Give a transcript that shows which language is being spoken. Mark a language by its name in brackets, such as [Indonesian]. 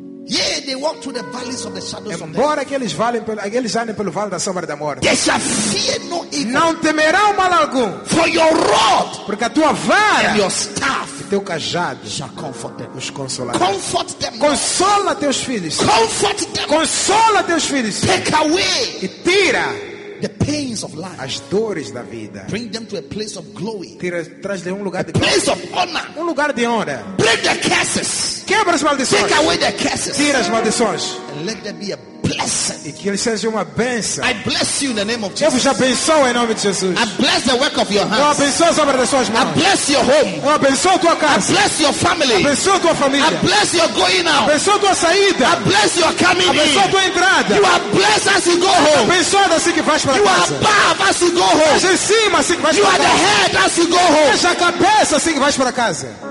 [English] Yeah, they walk through the valleys of the shadows of death. [Portuguese] Embora aqueles andem pelo vale da sombra da morte. [English] They shall fear no evil. [Portuguese] Não temerão mal algum. [English] For your rod. [Portuguese] Porque a tua vara. [English] And your staff. [Portuguese] E teu cajado. [English] Shall comfort them. [Portuguese] Os consolará. [English] Comfort them. [Portuguese] Consola teus filhos. [English] Comfort them. [Portuguese] Consola teus filhos. [English] Take away. [Portuguese] E tira. [English] The pains of life. [Portuguese] As dores da vida. [English] Bring them to a place of glory. [Portuguese] Traz-lhe um lugar a de glória. [English] Place of honor. [Portuguese] Um lugar de honra. [English] Break the curses. [Portuguese] Quebra as maldições. [English] Take away the curses. [Portuguese] Tira as maldições. [English] And let there be a blessing. [Portuguese] E que ele seja uma bênção. [English] I bless you in the name of Jesus. [Portuguese] Eu vos abençoo em nome de Jesus. [English] I bless the work of your hands. [Portuguese] Eu abençoo a obra das suas mãos. [English] I bless your home. [Portuguese] Eu abençoo tua casa. [English] I bless your family. [Portuguese] Eu abençoo tua família. [English] I bless your going out. [Portuguese] Eu abençoo tua saída. [English] I bless your coming in. [Portuguese] Eu abençoo tua entrada. [English] You are blessed as you go home. [Portuguese] Eu abençoo assim que vais para casa. [English] You are above as you go home. [Portuguese] Estás em cima assim que vais [English] you [Portuguese] para casa. [English] You are the head as you go home. [Portuguese] Estás a cabeça assim que vais para casa.